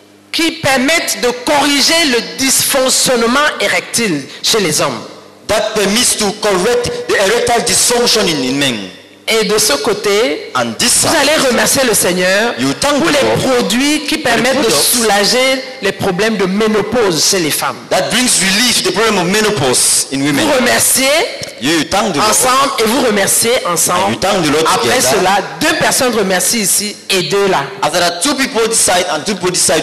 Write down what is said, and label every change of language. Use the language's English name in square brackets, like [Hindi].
[French] qui permettent de corriger le dysfonctionnement érectile chez les hommes, [English] that permits to correct the erectile dysfunction in men. [French] Et de ce côté, [English] side, [French] vous allez remercier le Seigneur pour les produits qui permettent de soulager les problèmes de ménopause chez les femmes. [English] That brings relief to the problem of menopause in women. [French] Vous remerciez ensemble et vous remerciez ensemble. [English] And you thank the [French] Après [English] together. [French] Cela, deux personnes remercient ici et deux là. [English] After that, two people decide and two people decide.